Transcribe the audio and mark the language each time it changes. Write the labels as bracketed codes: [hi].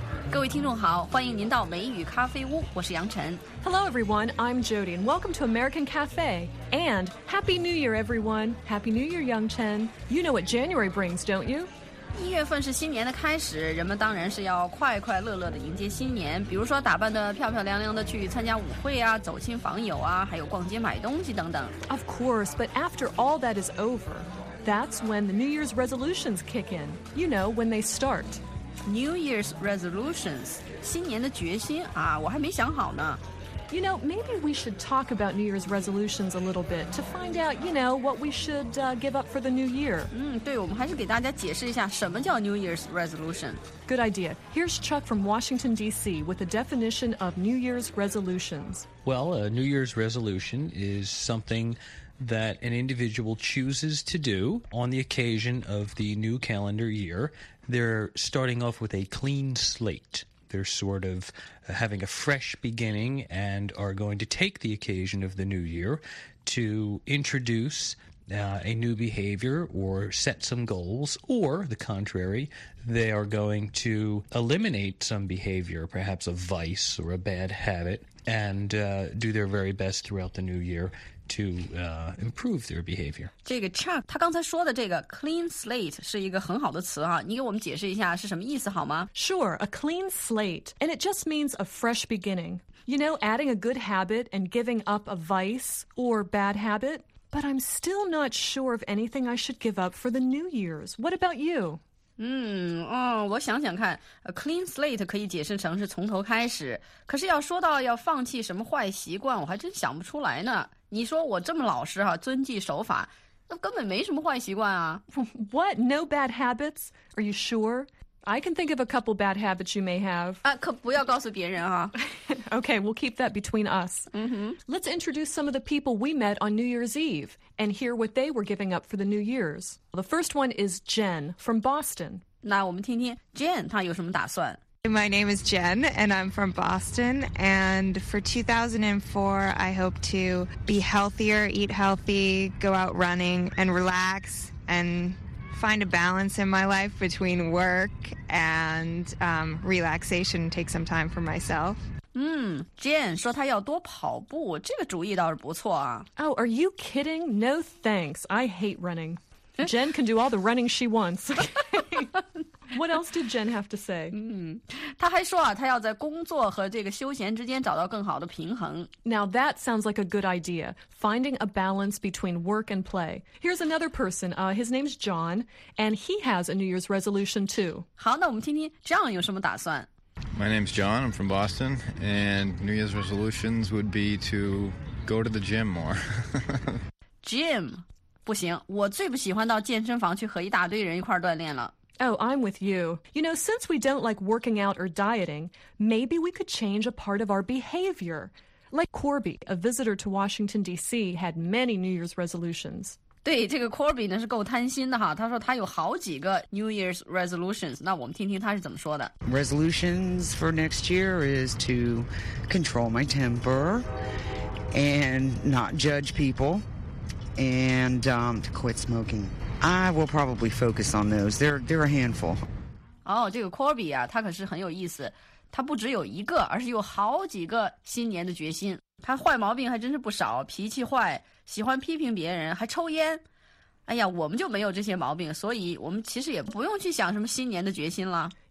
[zh] 各位听众好，欢迎您到美语咖啡屋，我是杨晨。 [en] Hello everyone, I'm Jody, and welcome to American Cafe. And Happy New Year, everyone. Happy New Year, Yang Chen. You know what January brings, don't you? [zh] 一月份是新年的开始，人们当然是要快快乐乐的迎接新年，比如说打扮得漂漂亮亮的去参加舞会啊，走亲访友啊，还有逛街买东西等等。 [en] Of course, but after all that is over, that's when the New Year's resolutions kick in. You know, when they start. [zh] New Year's resolutions, 新年的决心啊，我还没想好呢。 [en] You know, maybe we should talk about New Year's resolutions a little bit to find out, you know, what we should, give up for the new year. [zh] 对，我们还是给大家解释一下什么叫 New Year's resolution. [en] Good idea. Here's Chuck from Washington, D.C. with a definition of New Year's resolutions. Well, a New Year's resolution is something that an individual chooses to do on the occasion of the new calendar year. They're starting off with a clean slate. They're sort of having a fresh beginning and are going to take the occasion of the new year to introduce a new behavior or set some goals, or the contrary, they are going to eliminate some behavior, perhaps a vice or a bad habit, and do their very best throughout the new year. To improve their behavior. [zh] 这个 Chuck, 他刚才说的这个 clean slate 是一个很好的词啊，你给我们解释一下是什么意思好吗？ [en] Sure, a clean slate, and it just means a fresh beginning. You know, adding a good habit and giving up a vice or bad habit. But I'm still not sure of anything I should give up for the New Year's. What about you? [zh] 我想想看 ，a clean slate 可以解释成是从头开始。可是要说到要放弃什么坏习惯，我还真想不出来呢。你说我这么老实哈、啊，遵纪守法，那根本没什么坏习惯啊。 [en] What? No bad habits? Are you sure? I can think of a couple bad habits you may have. [zh] 啊，可不要告诉别人啊。 [en] Okay, we'll keep that between us. Let's introduce some of the people we met on New Year's Eve. And hear what they were giving up for the New Year's. The first one is Jen from Boston. [zh] 那我们听听 Jen 她有什么打算 [en] My name is Jen, and I'm from Boston. And for 2004, I hope to be healthier, eat healthy, go out running, and relax, and find a balance in my life between work and relaxation, take some time for myself. [zh] Jen 说她要多跑步，这个主意倒是不错啊。 [en] Oh, are you kidding? No thanks. I hate running. Jen can do all the running she wants. What else did Jen have to say? [zh] 她还说啊，她要在工作和这个休闲之间找到更好的平衡。 [en] Now that sounds like a good idea, finding a balance between work and play. Here's another person. His name's John, and he has a New Year's resolution too. [zh] 好，那我们听听 John 有什么打算。 [en] My name's John, I'm from Boston, and New Year's resolutions would be to go to the gym more. Gym? [zh] 不行，我最不喜欢到健身房去和一大堆人一块锻炼了。 [en] Oh, I'm with you. You know, since we don't like working out or dieting, maybe we could change a part of our behavior. Like Corby, a visitor to Washington, D.C., had many New Year's resolutions. [zh] 对这个 Corby 呢是够贪心的哈，他说他有好几个 New Year's resolutions， 那我们听听他是怎么说的。 [en] Resolutions for next year is to control my temper and not judge people and to quit smoking. I will probably focus on those. They're a handful. [zh] 哦，这个 Corby 啊，他可是很有意思，他不只有一个，而是有好几个新年的决心。他坏毛病还真是不少，脾气坏。喜欢批评别人，还抽烟。哎呀，我们就没有这些毛病，所以我们其实也不用去想什么新年的决心了。